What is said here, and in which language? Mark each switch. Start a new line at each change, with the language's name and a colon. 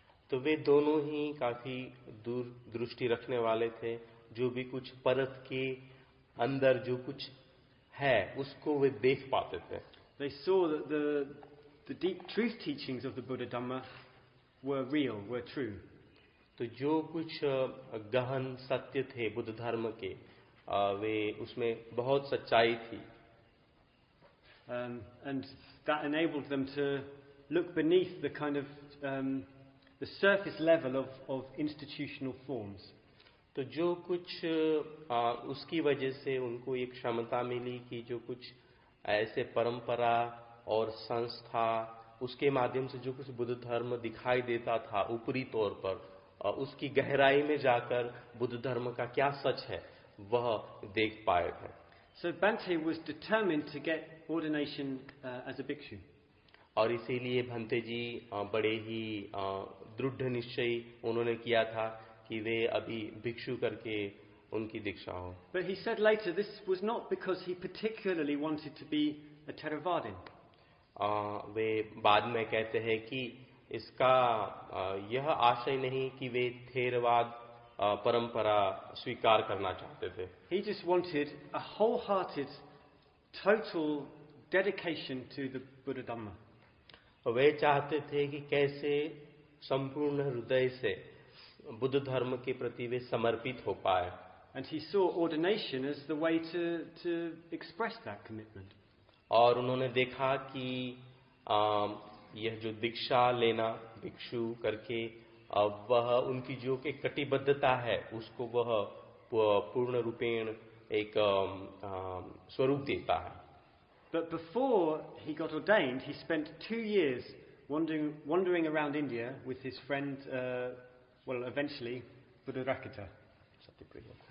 Hindi: तो वे दोनों ही काफी दूर दृष्टि रखने वाले थे जो भी कुछ परत के अंदर जो कुछ है उसको वे देख पाते थे।
English: They saw that the deep truth teachings of the Buddha Dhamma were real, were true.
Hindi: तो जो कुछ गहन सत्य थे बुद्ध धर्म के वे उसमें बहुत सच्चाई थी।
English: And that enabled them to look beneath the kind of the surface level of institutional forms.
Hindi: तो जो कुछ उसकी वजह से उनको एक क्षमता मिली कि जो कुछ ऐसे परंपरा और संस्था उसके माध्यम से जो कुछ बुद्ध धर्म दिखाई देता था ऊपरी तौर पर उसकी गहराई में जाकर बुद्ध धर्म का क्या सच है वह देख पाए थे।
English: So Bhante was determined to get ordination as a bhikshu.
Hindi: और इसीलिए भंते जी बड़े ही दृढ़ निश्चय उन्होंने किया था कि वे अभी भिक्षु करके उनकी दीक्षा हो।
English: But he said later this was not because he particularly wanted to be a Theravadin.
Hindi: वे बाद में कहते हैं कि इसका यह आशय नहीं कि वे थेरवाद परंपरा स्वीकार करना चाहते थे।
English: He just wanted a wholehearted, total dedication to the Buddha Dhamma.
Hindi: वे चाहते थे कि कैसे संपूर्ण हृदय से बुद्ध धर्म के प्रति वे समर्पित हो पाए।
English: And he saw ordination as the way to express that commitment.
Hindi: और उन्होंने देखा कि यह जो दीक्षा लेना भिक्षु करके वह उनकी जो एक कटिबद्धता है उसको वह पूर्ण रूपेण एक स्वरूप देता है।
English: But before he got ordained, he spent 2 years wandering around India with his friend, eventually Buddha Rakata.